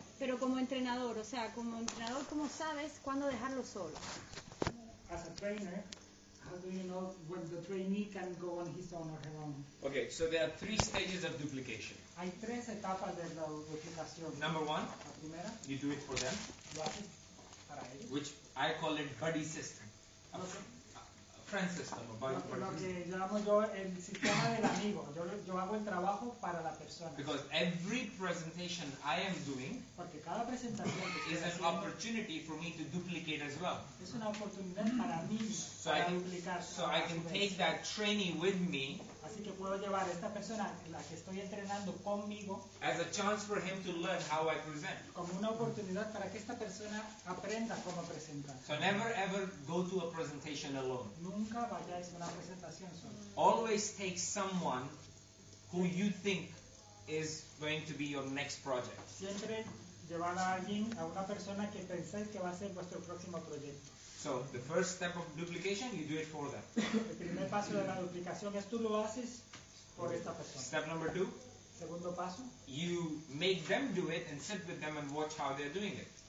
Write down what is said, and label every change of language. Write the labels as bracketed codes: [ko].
[es] Pero como entrenador, o sea, como entrenador, ¿cómo sabes cuándo dejarlo solo? [en] As a trainer, how do you know when the trainee can go on his own or her own? Okay, so there are three stages of duplication. [es] Hay tres etapas de la duplicación. [en] Number one, [es] la primera, [en] you do it for them. [es] Lo haces para ellos. [en] Which I call it buddy system. Friend system, because every presentation I am doing is an opportunity for me to duplicate as well. So I can take that trainee with me as a chance for him to learn how I present. [es] Como una oportunidad para que esta persona aprenda cómo presentar. [en] So never ever go to a presentation alone. [es] Nunca vayáis a una presentación solo. [en] Always take someone who you think is going to be your next project. [es] Siempre llevar a alguien, a una persona que pensáis que va a ser vuestro próximo proyecto. [en] So the first step of duplication, you do it for them. [es] El primer paso de la duplicación es tú lo haces por esta persona. [en] Step number two. [es] Segundo paso. [en] You make them do it and sit with them and watch how they're doing it.